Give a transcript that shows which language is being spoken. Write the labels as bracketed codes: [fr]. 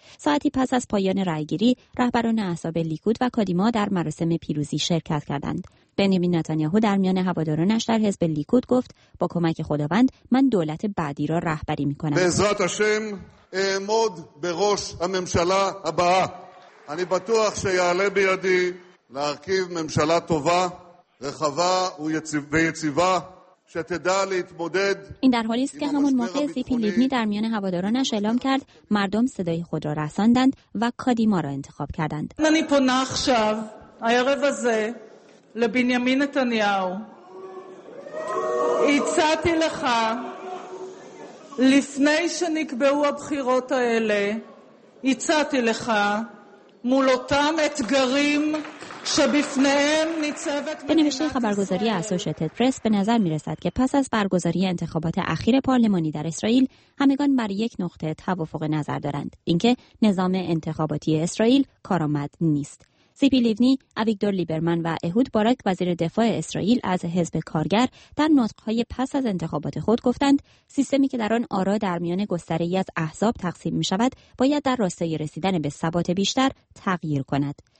[fa] ساعتی پس از پایان رأی‌گیری رهبران احزاب لیکود و کادیما در مراسم پیروزی شرکت کردند. بنیامین نتانیاهو در میان هوادارانش در حزب لیکود گفت با کمک خداوند من دولت بعدی را رهبری می‌کنم. [he] بعزت هاشم اعمد بروش הממשלה הבאה. אני בטוח שיעלה בידי להרכיב ממשלה טובה, רחבה ויציבה שתדע להתמודד. [fa] این در حالی است که همون موقع زیپی لیبنی در میان هوادارانش اعلام کرد مردم صدای خود را رساندند و کادیما را انتخاب کردند. [he] אני פונה עכשיו, הערב הזה, לבנימין נתניהו. הצעתי לך, לפני שנקבעו הבחירות האלה, הצעתי לך, מול אותם אתגרים שבפניהם ניצבת מדינת ישראל. [fa] בנושא חברגזרי אסושייטד פרס, בנזר מרסד که پس از برگزاری انتخابات اخیر پارلمانی در اسرائیل همگان بر یک نقطه توافق نظر دارند، اینکه نظام انتخاباتی اسرائیل کارآمد نیست. سیپی لیونی، اویگدور لیبرمن و اهود باراک وزیر دفاع اسرائیل از حزب کارگر در نطق‌های پس از انتخابات خود گفتند سیستمی که در آن آرا در میان گستره‌ای از احزاب تقسیم می‌شود باید در راستای رسیدن به ثبات بیشتر تغییر کند.